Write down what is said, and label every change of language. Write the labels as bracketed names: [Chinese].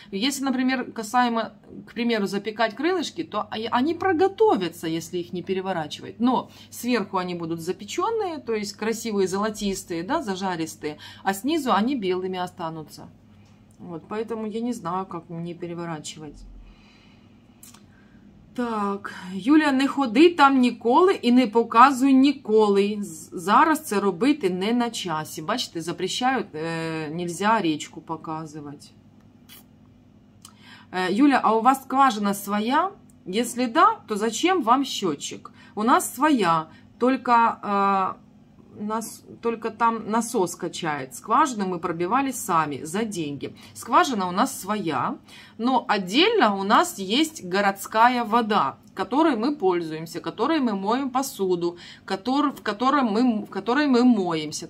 [Russian] Если, например, касаемо, к примеру, запекать крылышки, то они проготовятся, если их не переворачивать. Но сверху они будут запеченные, то есть красивые, золотистые, да, зажаристые, а снизу они белыми останутся. Вот, поэтому я не знаю, как мне переворачивать. [Ukrainian] Так, Юля, не ходи там ніколи і не показуй ніколи. Зараз це робити не на часі. Бачите, запрещають, [Russian] нельзя [Ukrainian] річку показувати. [Russian] Юля, а у вас скважина своя? Если да, то зачем вам счетчик? У нас своя, только... Только там насос качает. Скважины мы пробивали сами за деньги. Скважина у нас своя, но отдельно у нас есть городская вода, которой мы пользуемся, которой мы моем посуду, в которой мы моемся.